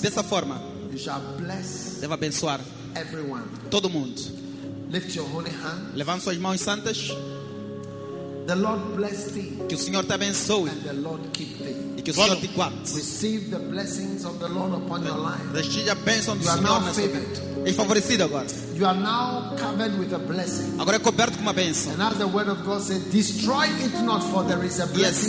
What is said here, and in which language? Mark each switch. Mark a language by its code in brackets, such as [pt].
[pt] dessa forma, [en] you shall bless, [pt] deve abençoar [en] everyone, [pt] todo mundo. [en] Lift your holy hand, [pt] levanta suas mãos santas. [en] The Lord bless thee, [pt] que o Senhor te abençoe. [en] And the Lord keep thee. [pt] Que o Senhor te guarde. [en] Receive the blessings of the Lord upon your life. [pt] Receba a bênção do Senhor na sua vida. És favorecido agora. [en] You are now covered with a blessing. [pt] Agora é coberto com uma bênção. [en] And as the word of God said, destroy it not, for there is a blessing.